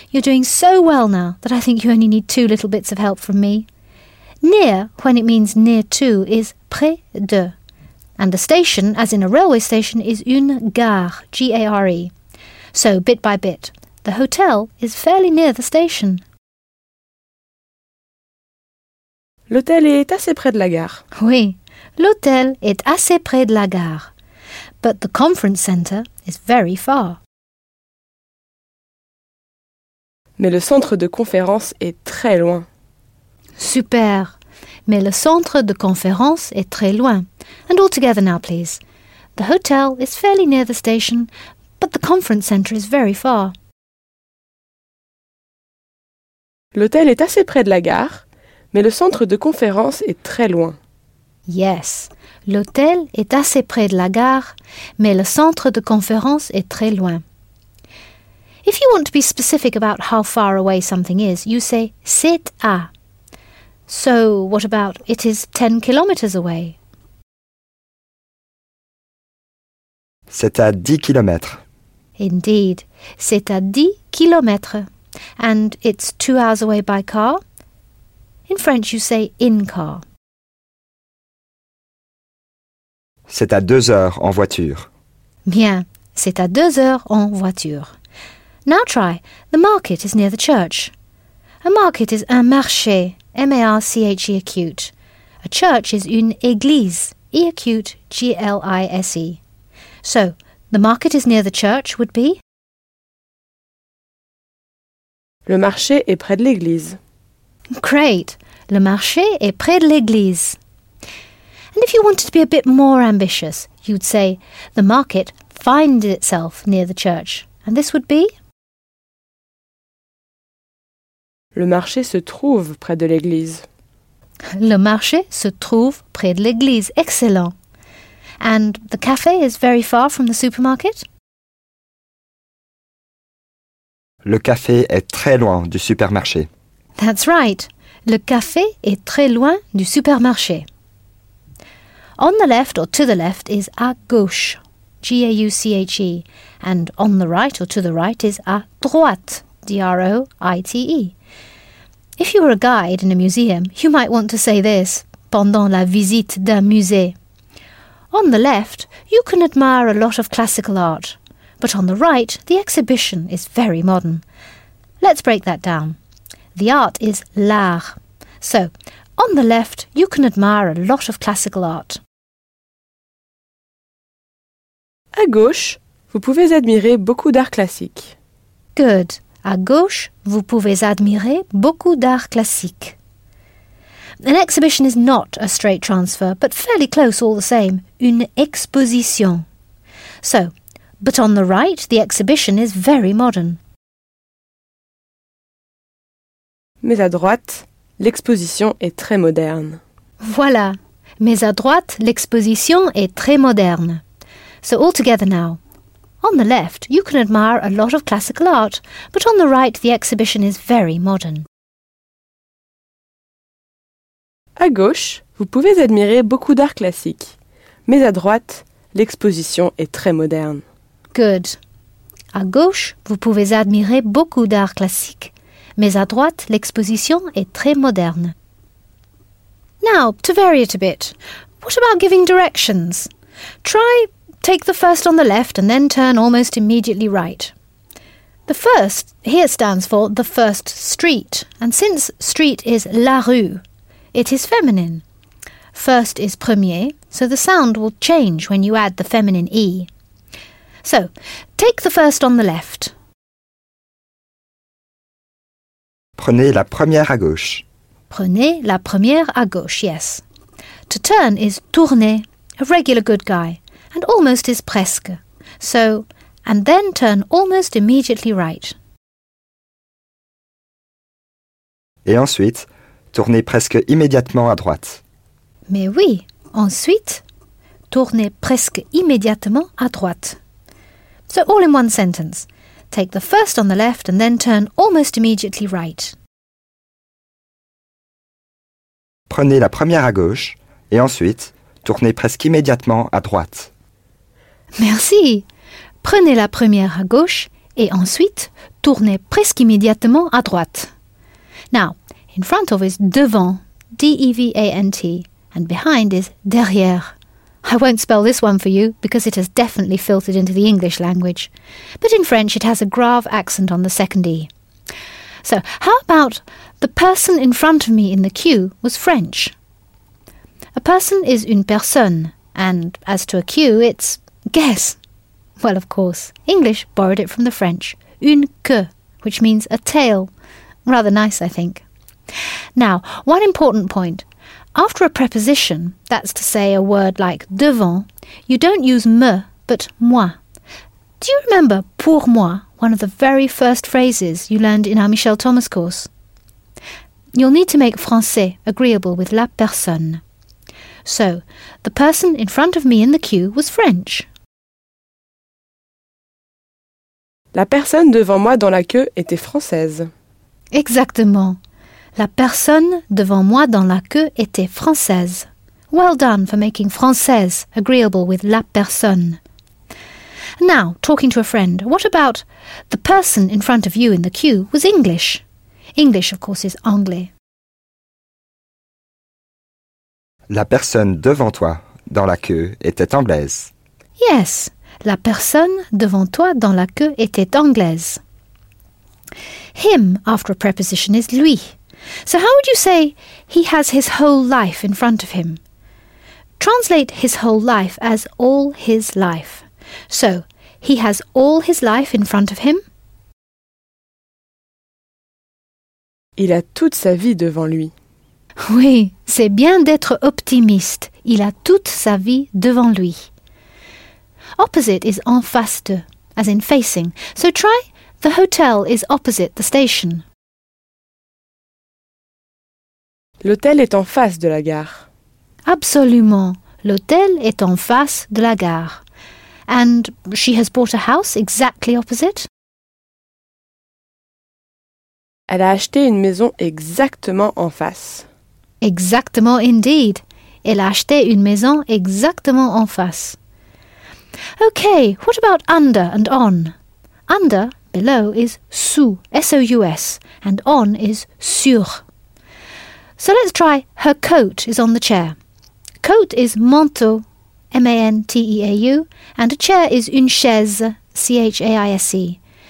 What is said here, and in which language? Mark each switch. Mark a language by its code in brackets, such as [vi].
[en] You're doing so well now that I think you only need two little bits of help from me. Near, when it means near to, is [fr] près de. [en] And the station, as in a railway station, is [fr] une gare, [en] G-A-R-E. So, bit by bit, the hotel is fairly near the station. [fr] L'hôtel est assez près de la gare. Oui, l'hôtel est assez près de la gare. [en] But the conference centre is very far. [fr] Mais le centre de conférence est très loin. Super. Mais le centre de conférence est très loin. [en] And all together now, please. The hotel is fairly near the station, but the conference centre is very far. [fr] L'hôtel est assez près de la gare, mais le centre de conférence est très loin. [en] Yes. [fr] L'hôtel est assez près de la gare, mais le centre de conférence est très loin. [en] If you want to be specific about how far away something is, you say [fr] c'est à. [en] So, what about it is 10 kilometers away? [fr] C'est à 10 kilomètres. Indeed, c'est à 10 kilomètres. [en] And it's 2 hours away by car? In French, you say in car. [fr] C'est à 2 heures en voiture. Bien, c'est à 2 heures en voiture. [en] Now try, the market is near the church. A market is [fr] un marché, [en] M-A-R-C-H-E acute. A church is [fr] une église, [en] E-acute G-L-I-S-E. So, the market is near the church would be? [fr] Le marché est près de l'église. [en] Great! [fr] Le marché est près de l'église. [en] And if you wanted to be a bit more ambitious, you'd say, the market finds itself near the church. And this would be? [fr] Le marché se trouve près de l'église. Le marché se trouve près de l'église. [en] Excellent. And the café is very far from the supermarket? [fr] Le café est très loin du supermarché. [en] That's right. [fr] Le café est très loin du supermarché. [en] On the left or to the left is [fr] à gauche, [en] G-A-U-C-H-E. And on the right or to the right is [fr] à droite, [en] D-R-O-I-T-E. If you were a guide in a museum, you might want to say this [fr] pendant la visite d'un musée. [en] On the left, you can admire a lot of classical art. But on the right, the exhibition is very modern. Let's break that down. The art is l'art. So, on the left, you can admire a lot of classical art. [fr] À gauche, vous pouvez admirer beaucoup d'art classique. [en] Good. [fr] À gauche, vous pouvez admirer beaucoup d'art classique. [en] An exhibition is not a straight transfer, but fairly close all the same. [fr] Une exposition. [en] So, but on the right, the exhibition is very modern. [fr] Mais à droite, l'exposition est très moderne. Voilà. Mais à droite, l'exposition est très moderne. [en] So, all together now. On the left, you can admire a lot of classical art, but on the right, the exhibition is very modern. [fr] À gauche, vous pouvez admirer beaucoup d'art classique, mais à droite, l'exposition est très moderne. [en] Good. [fr] À gauche, vous pouvez admirer beaucoup d'art classique, mais à droite, l'exposition est très moderne. [en] Now, to vary it a bit, what about giving directions? Try take the first on the left and then turn almost immediately right. The first here stands for the first street, and since street is la rue, it is feminine. First is premier, so the sound will change when you add the feminine E. So, take the first on the left. [fr] Prenez la première à gauche. Prenez la première à gauche, [en] yes. To turn is tourner, a regular good guy. And almost is presque. So, and then turn almost immediately right. [fr] Et ensuite, tournez presque immédiatement à droite. Mais oui, ensuite, tournez presque immédiatement à droite. [en] So, all in one sentence. Take the first on the left and then turn almost immediately right. [fr] Prenez la première à gauche et ensuite, tournez presque immédiatement à droite. Merci. Prenez la première à gauche et ensuite, tournez presque immédiatement à droite. [en] Now, in front of is devant, D-E-V-A-N-T, and behind is derrière. I won't spell this one for you because it has definitely filtered into the English language. But in French, it has a grave accent on the second E. So, how about the person in front of me in the queue was French? A person is [fr] une personne, [en] and as to a queue, it's guess. Well, of course, English borrowed it from the French, [fr] une queue, [en] which means a tail. Rather nice, I think. Now, one important point. After a preposition, that's to say a word like [fr] devant, [en] you don't use me, but moi. Do you remember [fr] pour moi, [en] one of the very first phrases you learned in our Michel Thomas course? You'll need to make français agreeable with [fr] la personne. [en] So, the person in front of me in the queue was French. [fr] La personne devant moi dans la queue était française. Exactement. La personne devant moi dans la queue était française. [en] Well done for making française agreeable with [fr] la personne. [en] Now, talking to a friend, what about the person in front of you in the queue was English? English, of course, is anglais. [fr] La personne devant toi dans la queue était anglaise. [en] Yes. [fr] La personne devant toi dans la queue était anglaise. [en] Him after a preposition is lui. So how would you say he has his whole life in front of him? Translate his whole life as all his life. So, he has all his life in front of him. [fr] Il a toute sa vie devant lui. Oui, c'est bien d'être optimiste. Il a toute sa vie devant lui. [en] Opposite is [fr] en face de, [en] as in facing. So try, the hotel is opposite the station. [fr] L'hôtel est en face de la gare. Absolument, l'hôtel est en face de la gare. [en] And she has bought a house exactly opposite. [fr] Elle a acheté une maison exactement en face. Exactement indeed. Elle a acheté une maison exactement en face. [en] Okay, what about under and on? Under, below, is sous, S-O-U-S, and on is sur. So let's try her coat is on the chair. Coat is manteau, M-A-N-T-E-A-U, and a chair is [fr] une chaise, [en] C-H-A-I-S-E.